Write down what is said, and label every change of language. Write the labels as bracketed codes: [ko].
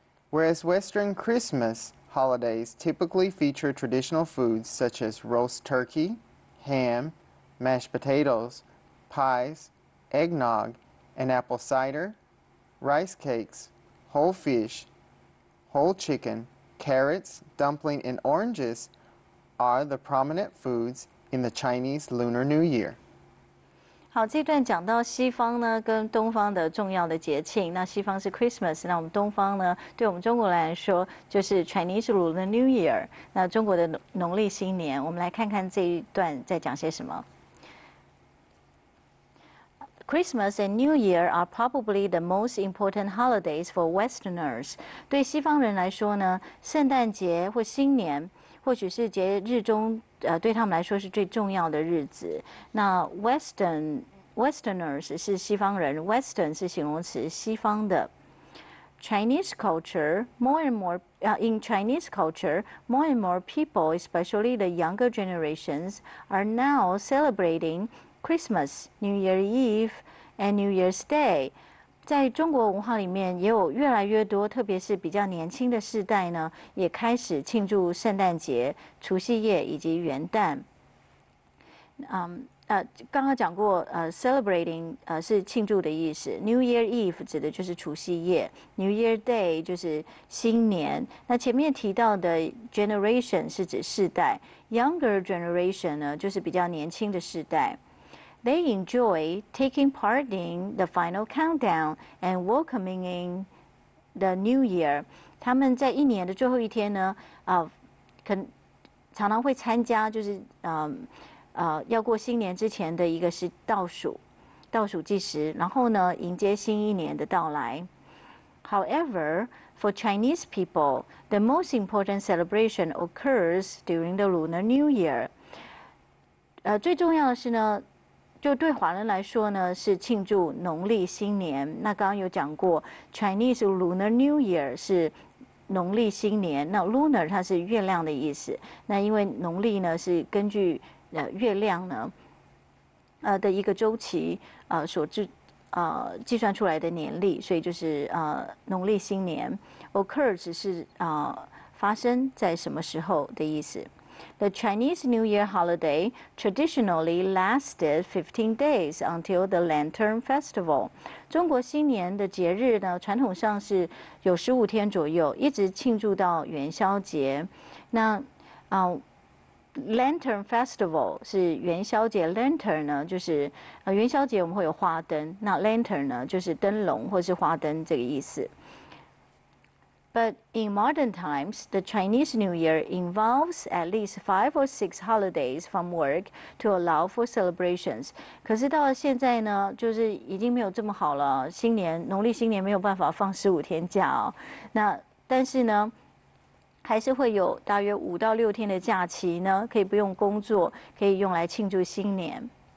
[en] Whereas Western Christmas,Holidays typically feature traditional foods such as roast turkey, ham, mashed potatoes, pies, eggnog, and apple cider, rice cakes, whole fish, whole chicken, carrots, dumpling, and oranges are the prominent foods in the Chinese Lunar New Year. [zh] 好，这段讲到西方呢跟东方的重要的节庆。那西方是 Christmas， 那我们东方呢，对我们中国来说就是 Chinese Lunar New Year， 那中国的农历新年。我们来看看这一段在讲些什么。 [en] Christmas and New Year are probably the most important holidays for Westerners。 [zh] 对西方人来说呢，圣诞节或新年。或许是节日中，对他们来说是最重要的日子。那 Westerners 是西方人 ，Western 是形容词，西方的。 [en] Chinese culture more and more in Chinese culture more and more people, especially the younger generations, are now celebrating Christmas, New Year Eve, and New Year's Day. [zh] 在中国文化里面，也有越来越多，特别是比较年轻的世代呢，也开始庆祝圣诞节、除夕夜以及元旦。刚刚讲过，celebrating 是庆祝的意思 ，New Year Eve 指的就是除夕夜 ，New Year Day 就是新年。那前面提到的 generation 是指世代 ，younger generation 呢就是比较年轻的世代。 [en] They enjoy taking part in the final countdown and welcoming in the new year. [zh] 他们在一年的最后一天呢，常常会参加，就是要过新年之前的一个是倒数计时，然后呢，迎接新一年的到来。 [en] However, for Chinese people, the most important celebration occurs during the Lunar New Year. [zh] 最重要的是呢。就对华人来说呢，是庆祝农历新年。那刚刚有讲过 ，Chinese Lunar New Year 是农历新年，那 lunar 它是月亮的意思。那因为农历呢是根据月亮呢的一个周期所制计算出来的年历，所以就是农历新年。 Occur 只是发生在什么时候的意思。 [en] The Chinese New Year holiday traditionally lasted 15 days until the Lantern Festival. [zh] 中国新年的节日呢，传统上是有15天左右，一直庆祝到元宵节。那Lantern Festival 是元宵节 ，Lantern 呢就是元宵节我们会有花灯，那 Lantern 呢就是灯笼或是花灯这个意思。 [en] But in modern times, the Chinese New Year involves at least 5 or 6 holidays from work to allow for celebrations. [zh] 可是到了现在呢，就是已经没有这么好了。新年，农历新年没有办法放15天假哦。那但是呢，还是会有大约5到6天的假期呢，可以不用工作，可以用来庆祝新年。